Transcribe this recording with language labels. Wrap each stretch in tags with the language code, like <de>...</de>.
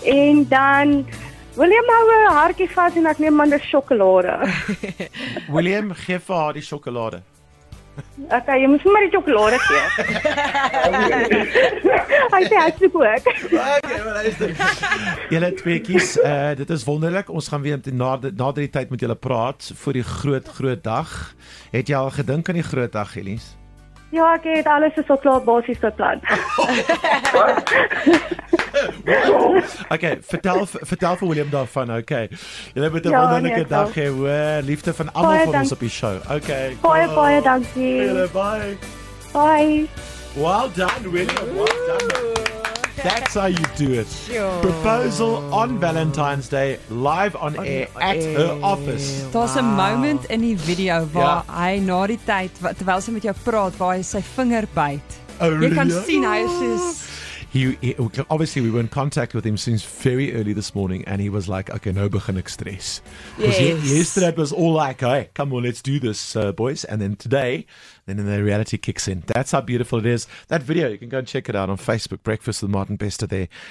<af>En dan, William hou een haarkie vast en ek neem aan die chocolade. William, geef vir haar die chocolade. Ok, jy moet maar die chocolade gee. Hy sê, hy soek ook. Ok, maar luister. Julle tweekies, dit is wonderlik. Ons gaan weer na die tyd met julle praat vir die groot dag. Het jy al gedink aan die groot dag, Elise? Ja, ek het alles is al klaar basies beplan. Okay, vertel vir William daarvan, okay. Julle het 'n wonderlike dag hê, hoor. Liefde van almal van ons op die show. Okay. Baie dankie.</af> <en>Bye. Well done, William. Well done. That's how you do it. Sure. Proposal on Valentine's Day, live on air at her office. There's a moment in the video where</en> <af>hy na die tyd, terwyl sy met jou praat, waar hy sy vinger byt.</af> <en>Really?</en> <af>Jy kan sien hy is soos...</af> <en>He obviously we were in contact with him since very early this morning and he was like, okay,</en> <af>nou begin ek stres.</af> <en>Yes. Yesterday it was all like, hey, come on, let's do this, boys. And then today, then the reality kicks in. That's how beautiful it is. That video, you can go and check it out on Facebook, Breakfast with Martin Bester there.</en>